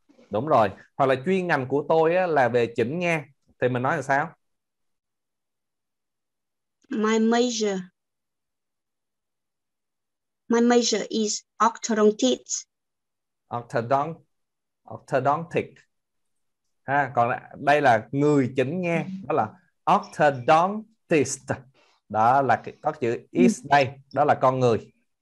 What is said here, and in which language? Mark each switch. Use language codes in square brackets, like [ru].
[vi] Đúng rồi, hoặc là chuyên ngành của tôi á, là về chỉnh nghe. Thì mình nói làm sao? [en] My major is optometrist. Orthodontic. [vi] Ha, còn đây là người chỉnh nghe, đó là orthodontist. Đó là có chữ is đây, đó là con người.